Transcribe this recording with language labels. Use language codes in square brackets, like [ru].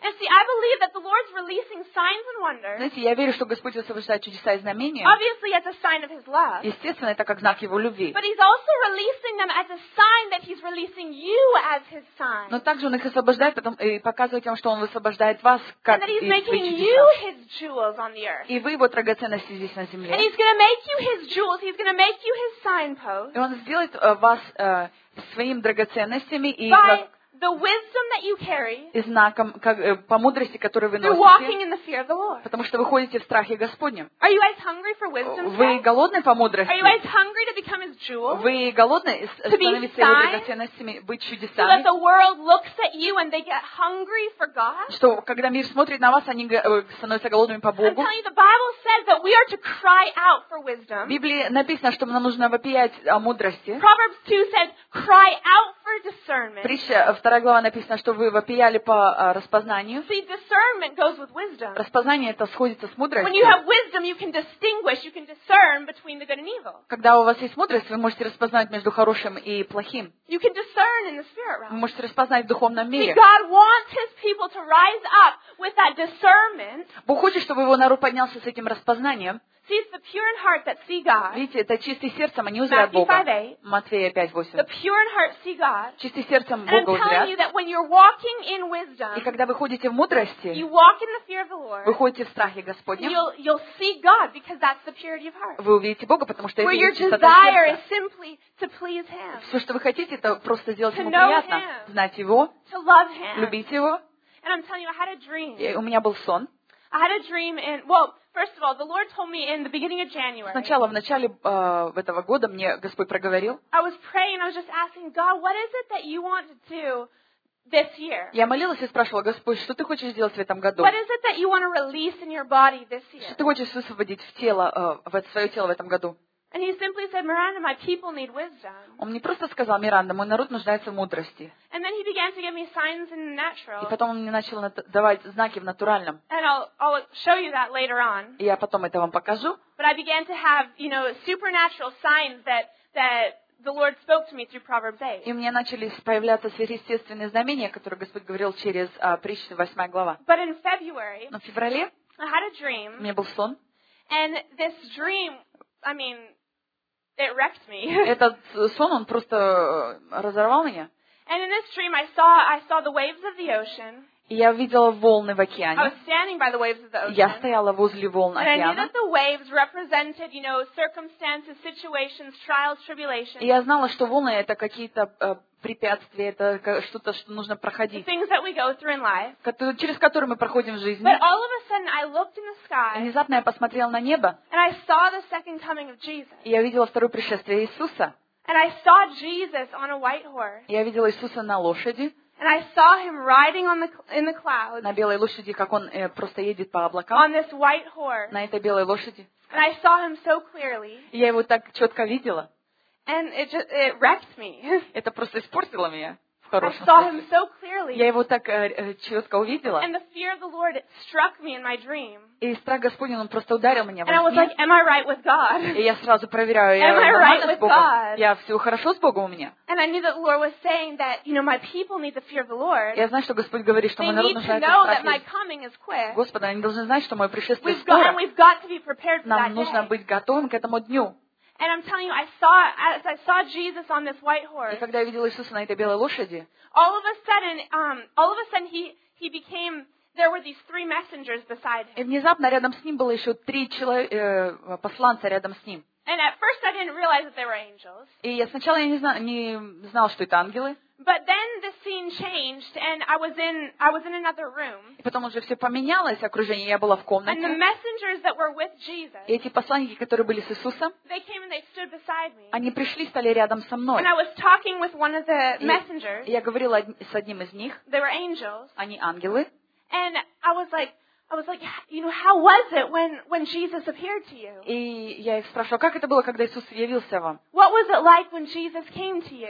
[en] And see, I believe that the Lord's releasing signs and wonders. [ru] Знаете, я верю, что Господь высвобождает чудеса и знамения. [en] Obviously, it's a sign of his love. [ru] Естественно, это как знак его любви. [en] But he's also releasing them as a sign that he's releasing you as his son. [ru] Но также он их освобождает потом и показывает тем, что он высвобождает вас как и [en] making you his jewels on the earth. [ru] И вы его драгоценности здесь на земле. [en] And he's going to make you his jewels. He's going to make you his signpost. [ru] И он сделает вас своим драгоценностями и как [en] the wisdom that you carry, [ru] и знаком как, по мудрости, которую вы носите, [en] walking in the fear of the Lord. [ru] Потому что вы ходите в страхе Господнем. [en] Are you guys hungry for wisdom? [ru] Вы голодны по мудрости? [en] Are you guys hungry to become His jewels? [ru] Вы голодны становиться Его драгоценностями, быть чудесами? [en] So that the world looks at you and they get hungry for God? [ru] Что когда мир смотрит на вас, они становятся голодными по Богу? [en] I'm telling you, the Bible says that we are to cry out for wisdom. [ru] В Библии написано, что нам нужно вопиять о мудрости. [en] Proverbs 2 says, cry out for discernment. [ru] Притча, 2 глава написано, что вы вопияли по распознанию. [en] See, discernment goes with wisdom. [ru] Распознание это сходится с мудростью. [en] When you have wisdom, you can distinguish, you can discern between the good and evil. [ru] Когда у вас есть мудрость, вы можете распознать между хорошим и плохим. [en] You can discern in the spirit realm. [ru] Вы можете распознать в духовном мире. [en] See, God wants His people to rise up with that discernment. [ru] Бог хочет, чтобы его народ поднялся с этим распознанием. [en] See, the pure in heart that see God. [ru] Видите, это чистый сердцем, они узрят Бога. Матфея 5:8. [en] The pure in heart see God. [ru] Чистый сердцем Бога узрят. [en] And I'm telling you that when you're walking in wisdom. [ru] И когда вы ходите в мудрости. [en] You walk in the fear of the Lord. [ru] Вы ходите в страхе Господнем. [en] You'll see God because that's the purity of heart. [ru] Вы увидите Бога, потому что это чистота сердца. [en] Where your desire is simply to please Him. [ru] Все, что вы хотите, это просто сделать [en] to [ru] Ему приятно. Знать Его. [en] To love Him. [ru] Любить Его. [en] And I'm telling you, I had a dream. [ru] И у меня был сон. [en] I had a dream and well. First of all, the Lord told me in the beginning of January. [ru] Сначала в начале этого года мне Господь проговорил. [en] I was praying. I was just asking God, what is it that you want to do this year? [ru] Я молилась и спрашивала Господь, что ты хочешь сделать в этом году? [en] What is it that you want to release in your body this year? [ru] Что ты хочешь высвободить в тело в свое тело в этом году? [en] And He simply said, "Miranda, my people need wisdom." [ru] Он мне просто сказал, Миранда, мой народ нуждается в мудрости. [en] And then He began to give me signs in the natural. [ru] И потом он мне начал давать знаки в натуральном. [en] And I'll show you that later on. [ru] И я потом это вам покажу. [en] But I began to have, you know, supernatural signs that the Lord spoke to me through Proverbs 8. [ru] И у меня начали появляться сверхъестественные знамения, которые Господь говорил через притчи 8 глава. [en] But in February. [ru] Но в феврале. [en] I had a dream. [ru] У меня был сон. [en] And this dream. I mean, it wrecked me. [ru] Этот сон он просто разорвал меня. [en] And in this dream, I saw the waves of the ocean. [ru] Я видела волны в океане. [en] I was standing by the waves of the ocean. [ru] Я стояла возле волн океана. [en] And I knew that the waves represented, you know, circumstances, situations, trials, tribulations. [ru] Я знала, что волны это какие-то препятствия, это что-то, что нужно проходить. [en] The things that we go through in life. [ru] Через которые мы проходим в жизни. [en] But all of a sudden, I looked in the sky. [ru] Внезапно я посмотрела на небо. [en] And I saw the second coming of Jesus. [ru] И я видела второе пришествие Иисуса. [en] And I saw Jesus on a white horse. [ru] Я видела Иисуса на лошади. [en] And I saw him riding in the clouds. [ru] На белой лошади, как он просто едет по облакам. [en] On this white horse. [ru] На этой белой лошади. [en] And I saw him so clearly. [ru] И я его так четко видела. [en] And it wrecked me. [ru] Это просто испортило меня в хорошем смысле. [en] I saw him so clearly. [ru] Я его так четко увидела. [en] And the fear of the Lord struck me in my dream. [ru] И страх Господень, он просто ударил меня во сне. [en] And I was like, am I right with God? [ru] И я сразу проверяю, [en] am I right with God? [ru] Я все хорошо с Богом у меня. [en] And I knew that the Lord was saying that, you know, my people need the fear of the Lord. [ru] Я знаю, что Господь говорит, что мой народ нуждается в страхе. [en] They need to know that my coming is quick. [ru] Господа, они должны знать, что мое пришествие скоро. [en] We've got to be prepared for that day. [ru] Нам нужно быть готовым к этому дню. [en] And I'm telling you, I saw Jesus on this white horse. [ru] И когда я видела Иисуса на этой белой лошади, [en] all of a sudden he became. There were these three messengers beside him. [ru] И внезапно рядом с ним было еще три посланца рядом с ним. [en] And at first I didn't realize that they were angels. [ru] И я сначала не знал, что это ангелы. [en] But then the scene changed, and I was in another room. [ru] И потом уже все поменялось окружение. Я была в комнате. [en] And the messengers that were with Jesus. [ru] И эти посланники, которые были с Иисусом. [en] They came and they stood beside me. [ru] Они пришли, стали рядом со мной. [en] And I was talking with one of the messengers. [ru] Я говорила с одним из них. [en] They were angels. [ru] Они ангелы. [en] And I was like, you know, how was it when Jesus appeared to you? [ru] И я их спрашивала, как это было, когда Иисус явился вам? [en] What was it like when Jesus came to you?